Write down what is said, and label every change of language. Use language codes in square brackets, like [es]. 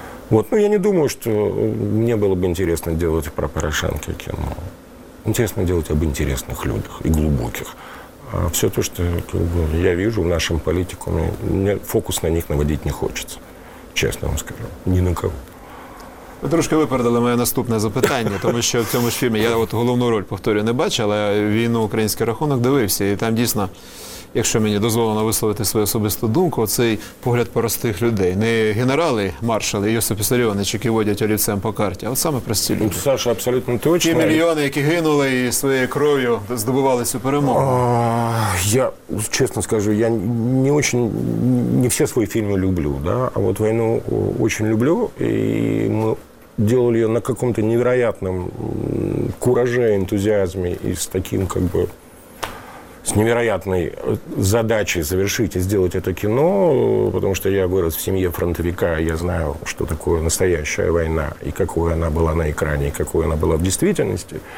[ru] Я не думаю, что мне было бы интересно делать про Порошенко кино. Интересно делать об интересных людях и глубоких. А все то, что я вижу в нашем политикуме, мне фокус на них наводить не хочется, честно вам скажу, [uk] ні на кого. Ви трошки випередили моє наступне запитання, тому що в цьому ж фільмі я от головну роль, повторюю, не бачу, але «Війну український рахунок» дивився, і там дійсно, якщо мені дозволено висловити свою особисту думку, цей погляд простих людей. Не генерали, маршали, Йосип Іссаріонович, які водять олівцем по карті, а от саме прості люди. Саша, абсолютно точно. Ті мільйони, які гинули і своєю кров'ю здобували цю перемогу. Я, чесно скажу, я не дуже, не всі свої фільми люблю, да? А от «Війну» дуже люблю, і ми [ru] делали ее на каком-то невероятном кураже, энтузиазме и с таким, как бы, с невероятной задачей завершить и сделать это кино, потому что я вырос в семье фронтовика, я знаю, что такое настоящая война, и какой она была на экране, и какой она была в действительности.